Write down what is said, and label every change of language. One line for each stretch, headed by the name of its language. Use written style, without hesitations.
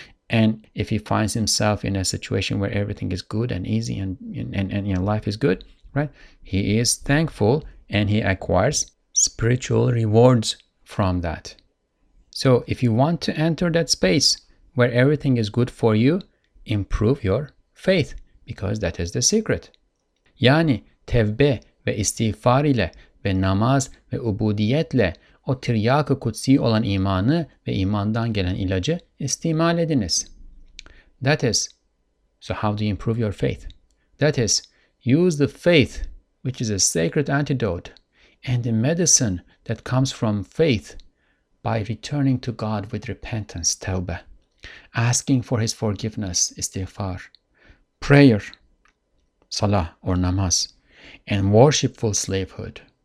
English: And if he finds himself in a situation where everything is good and easy and you know, life is good, right, he is thankful and he acquires spiritual rewards from that. So if you want to enter that space where everything is good for you, improve your faith, because that is the secret.
Turkish: Yani tevbe ve istiğfar ile ve namaz ve ubudiyetle o tiryak-ı kutsi olan imanı ve imandan gelen ilacı istimal ediniz.
English: That is, so how do you improve your faith? That is, use the faith, which is a sacred antidote, and the medicine that comes from faith, by returning to God with repentance, tawbah, asking for his forgiveness, istighfar, prayer, salah or namaz, and worshipful slavehood.